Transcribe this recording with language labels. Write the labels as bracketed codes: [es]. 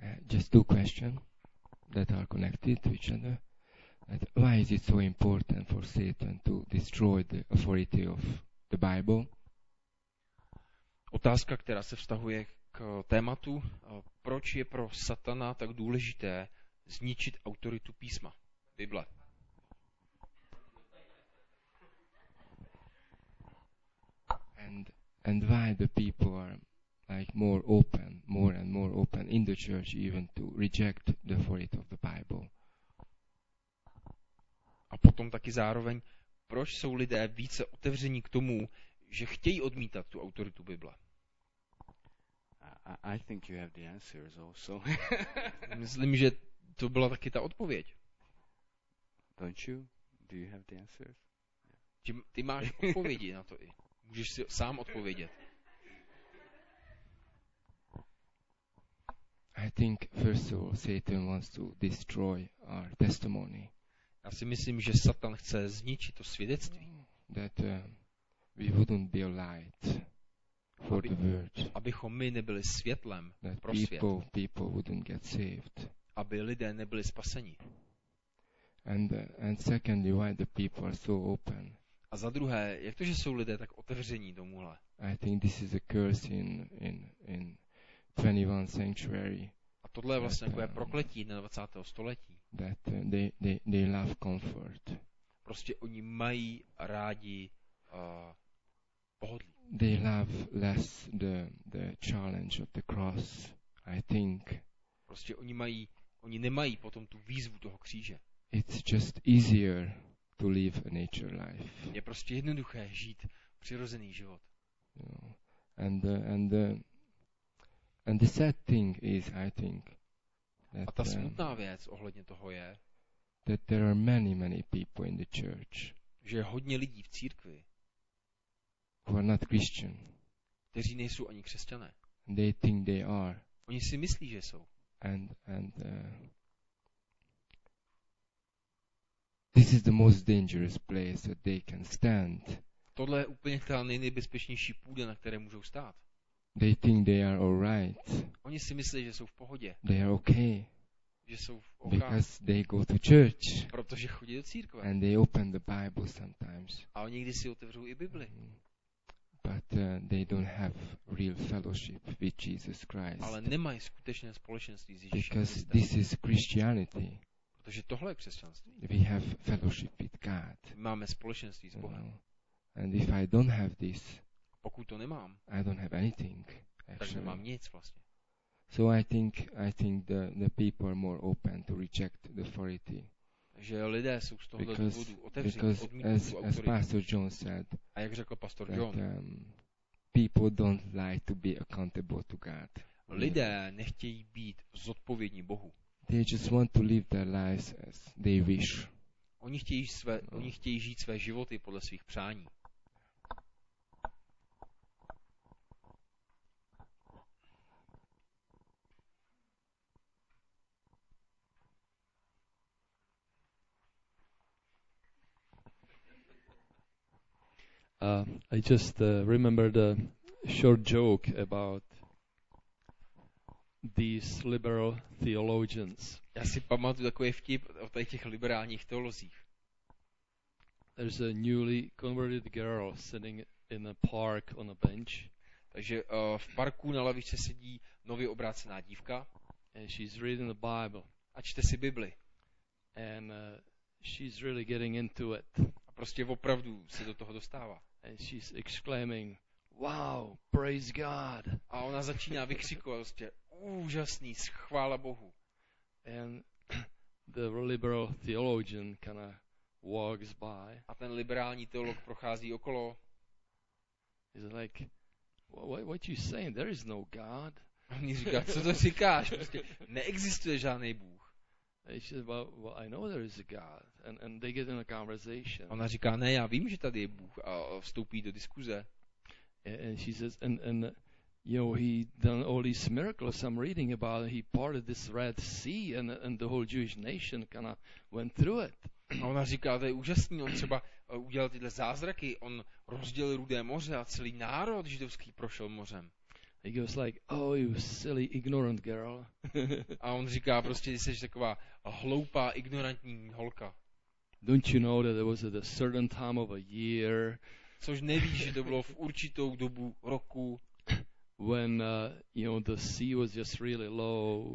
[en] Just two questions that are connected to each other. That why is it so important for Satan to destroy the authority of the Bible? [cs] Otázka, která se vztahuje k tématu, proč je pro Satana tak důležité zničit autoritu písma, Bible. [en] And why the people are like more and more open in the church even to reject the authority of the Bible. [cs] A potom taky zároveň, proč jsou lidé více otevření k tomu, že chtějí odmítat tu autoritu Bible? [en] I think you have the answers also. [cs] Myslím, že to byla taky ta odpověď. [en] Don't you? Do you have the answers? [cs] Ty máš odpovědi na to i. Můžeš si sám odpovědět. [en] I think first of all Satan wants to destroy our testimony. [cs] Já si myslím, že Satan chce zničit to svědectví. [en] That we wouldn't be a light for the world. [cs] Abychom my nebyli světlem [en] that [cs] pro [en] people, [cs] svět. [en] People wouldn't get saved. [cs] Aby lidé nebyli spaseni. [en] And secondly, why the people are so open? [cs] A za druhé, jak to, že jsou lidé tak otevření tomuhle? [en] I think this is a curse in 21. century. [cs] A tohle je vlastně takové prokletí 21. století. [en] That they love comfort. [cs] Prostě oni mají rádi pohodlí. [en] They love less the challenge of the cross, I think. [cs] Prostě oni nemají potom tu výzvu toho kříže. [en] It's just easier to live a nature life. [cs] Je prostě jednoduché žít přirozený život. [en] You know, and the sad thing is, I think, that, [cs] a ta smutná věc ohledně toho je, [en] that there are many people in the church, [cs] že je hodně lidí v církvi, [en] who are not Christian, [cs] kteří nejsou ani křesťané. [en] They think they are. [cs] Oni si myslí, že jsou. [en] And this is the most dangerous place that they can stand. [cs] Tohle je úplně ta nejnebezpečnější půda, na které můžou stát. [en] They think they are all right. [cs] Oni si myslí, že jsou v pohodě. [en] They are okay. [cs] Že jsou v [en] okay. Because they go to church. [cs] Protože chodí do církve. [en] And they open the Bible sometimes. [cs] A oni někdy si otevřou i Bibli. [en] But they don't have real fellowship with Jesus Christ. [cs] Ale nemají skutečné společenství s Ježíšem. [en] Because this is Christianity. [cs] Protože tohle je křesťanství. [en] We have fellowship with God. [cs] Máme společenství s Bohem. [en] No. And if I don't have this, [cs] pokud to nemám, [en] I don't have anything, actually. [cs] Tak nemám nic vlastně. [en] So I think the people are more open to reject the authority. [cs] Že lidé jsou z tohoto důvodu otevření, odmítnout autoritu. [en] As Pastor John said, [cs] a jak řekl Pastor [en] that, [cs] John, [en] People don't like to be accountable to God. [cs] Lidé nechtějí být zodpovědní Bohu. [en] They just want to live their lives as they wish. [cs] Oni chtějí žít své životy podle svých přání. [en] I just remembered a short joke about these liberal theologians. [cs] Já si pamatuju takový vtip o těch liberálních teolozích. [en] There's a newly converted girl sitting in a park on a bench. [cs] Takže v parku na lavičce sedí nově obrácená dívka. [en] And she's reading the Bible. [cs] A čte si Bibli. [en] And she's really getting into it. [cs] A prostě opravdu se do toho dostává. [en] And she's exclaiming, "Wow, praise God!" [cs] A ona začíná vykřikovat, prostě úžasný, chvála Bohu. [en] And the liberal theologian kind of walks by. [cs] A ten liberální teolog prochází okolo. [en] He's like, "What you saying? There is no God." [cs] A on jí říká, co to říkáš? Prostě neexistuje žádný Bůh. [en] And she says, well, I know there is a God. And they get in a conversation. [cs] Ona říká, ne, já vím, že tady je Bůh, a vstoupí do diskuze. [en] And she says, and you know, he done all these miracles I'm reading about. He parted this Red Sea, and the whole Jewish nation kind of went through it. [cs] A ona říká, to je úžasný, on třeba udělal tyhle zázraky, on rozdělil Rudé moře a celý národ židovský prošel mořem. [en] He goes like, oh, you silly, ignorant girl. [cs] A on říká, prostě jsi taková hloupá, ignorantní holka. [en] Don't you know that it was at a certain time of a year? [cs] Což nevíš, že to bylo v určitou dobu roku. [en] When, you know, the sea was just really low.